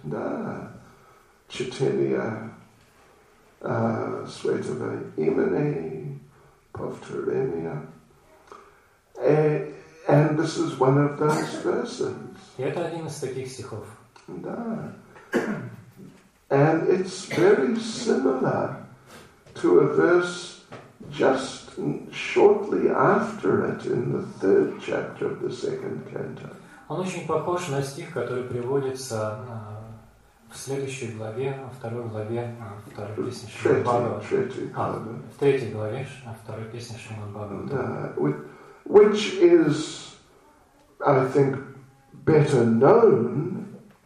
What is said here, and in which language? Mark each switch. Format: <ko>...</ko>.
<ru>Да, чтение святого имени, повторение.</ru> <en>And this is one of those verses.</en> <ru>Это один из таких стихов. Да.</ru> <en>And it's very similar to a verse just shortly after it in the third chapter of the second canto.</en> <ru>Он очень похож на стих, который приводится в следующей главе, во второй главе, второй песни Шримад-Бхагаватам. В третьей главе, второй песни</ru> <en>Шримад-Бхагаватам. Which is, I think, better known.</en>